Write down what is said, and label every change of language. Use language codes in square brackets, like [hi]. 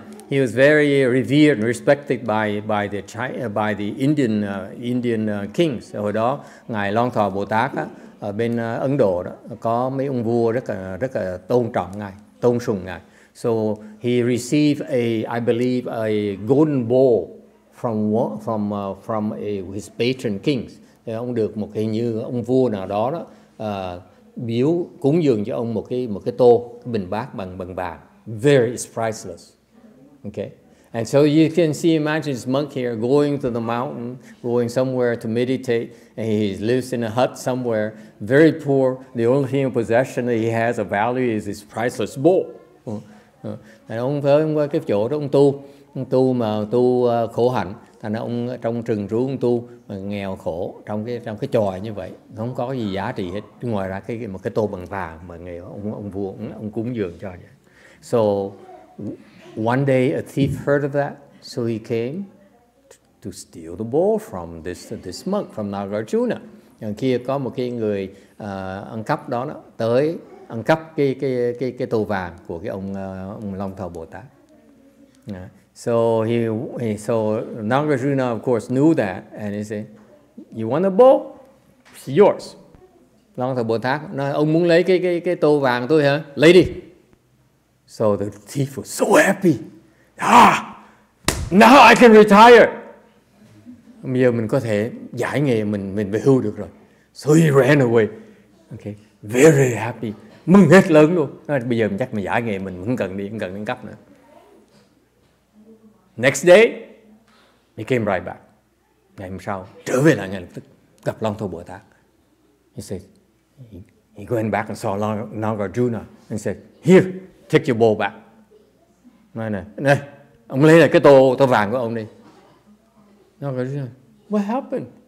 [en] He was very revered and respected by the Indian kings. [vi] Hồi đó ngài Long Thọ Bồ Tát ở bên Ấn Độ đó có mấy ông vua rất là tôn trọng ngài, tôn sùng ngài. [en] So he received a golden bowl from his patron kings. [vi] Thì ông được một cái như ông vua nào đó đó biếu cúng dường cho ông một cái tô, cái bình bát bằng vàng. [en] Very priceless. Okay. And so you can see, imagine this monk here going to the mountain, going somewhere to meditate, and he lives in a hut somewhere, very poor. The only thing in possession that he has of value is his priceless bowl. [vi] Thì ông tới cái chỗ đó ông tu. Ông tu mà tu khổ hạnh, thành ra ông trong rừng rú ông tu mà nghèo khổ trong cái chòi như vậy, không có gì giá trị hết ngoài ra một cái tô bằng vàng mà người ông vua ông cúng dường cho vậy. [en] So one day a thief heard of that, so he came to steal the bowl from this monk from Nagarjuna. [vi] Nhưng kia có một cái người ăn cắp đó nó tới ăn cắp cái tô vàng của cái ông Long Thọ Bồ Tát. [en] So Nagarjuna, of course, knew that, and he said, "You want a bowl? It's yours." [vi] Long Thập Bồ Tát nói, "Ông muốn lấy cái tô vàng tôi hả? Lấy đi." [en] So the thief was so happy. Ah, now I can retire. [vi] Bây giờ mình có thể giải nghề, mình về hưu được rồi. [en] So he ran away. [vi] Okay, [en] very happy. [vi] Mừng hết lớn luôn. Nói, bây giờ mình chắc mình giải nghề, mình không cần đi, không cần nâng cấp nữa. [en] Next day, he came right back. [vi] Ngày hôm sau, trở về lại ngay lập tức, gặp Long Thổ Bồ Tát. [en] He said, he went back and saw Nagarjuna and said, "Here, take your bowl back." [vi] Nói nè, này, ông lấy lại cái tô vàng của ông đi. Nagarjuna, [en] "What happened?"